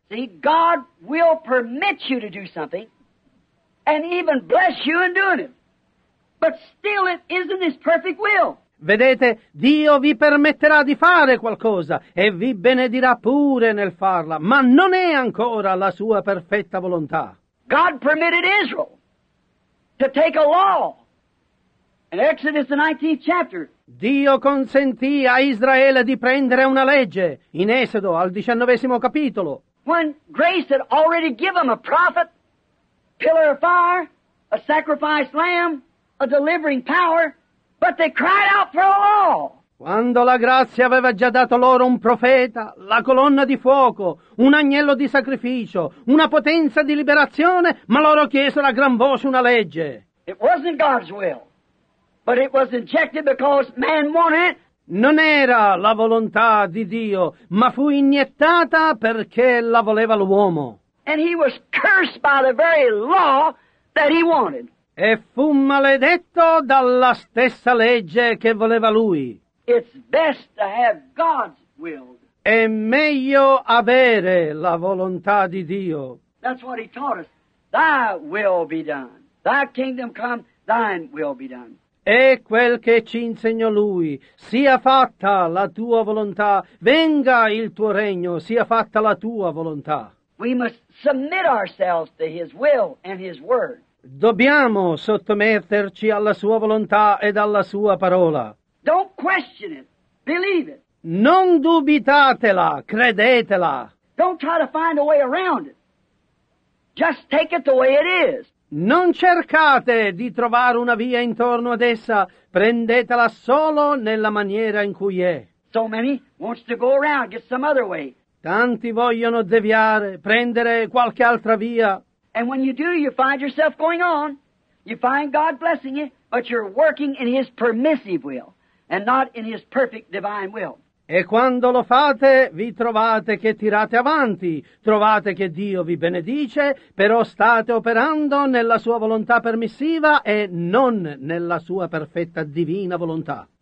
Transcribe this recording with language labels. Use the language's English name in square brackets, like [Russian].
[English] See, God will permit you to do something, and even bless you in doing it. But still it isn't his perfect will. [Italian] Vedete, Dio vi permetterà di fare qualcosa e vi benedirà pure nel farla, ma non è ancora la sua perfetta volontà. [English] God permitted Israel to take a law. In Exodus, the 19th chapter. [Italian] Dio consentì a Israele di prendere una legge. In Esodo, al 19° capitolo. [English] When grace had already given them a prophet, pillar of fire, a sacrificed lamb, a delivering power, but they cried out for a law. [Italian] Quando la grazia aveva già dato loro un profeta, la colonna di fuoco, un agnello di sacrificio, una potenza di liberazione, ma loro chiesero a gran voce una legge. [English] It wasn't God's will, but it was injected because man wanted it. [Italian] Non era la volontà di Dio, ma fu iniettata perché la voleva l'uomo. [English] And he was cursed by the very law that he wanted. [Italian] E fu maledetto dalla stessa legge che voleva lui. [English] It's best to have God's will. [Italian] È meglio avere la volontà di Dio. [English] That's what he taught us. Thy will be done. Thy kingdom come, thine will be done. [Italian] È quel che ci insegnò lui. Sia fatta la tua volontà. Venga il tuo regno. Sia fatta la tua volontà. [English] We must submit ourselves to his will and his word. [Italian] Dobbiamo sottometterci alla sua volontà ed alla sua parola. [English] Don't question it, believe it. [Italian] Non dubitatela, credetela. [English] Don't try to find a way around it. Just take it the way it is. [Italian] Non cercate di trovare una via intorno ad essa, prendetela solo nella maniera in cui è. [English] So many wants to go around, get some other way. [Italian] Tanti vogliono deviare, prendere qualche altra via. [English] And when you do, you find yourself going on. You find God blessing you, but you're working in his permissive will and not in his perfect divine will. [Italian] E quando lo fate, vi trovate che tirate avanti, trovate che Dio vi benedice, però state operando nella sua volontà permissiva e non nella sua perfetta divina volontà.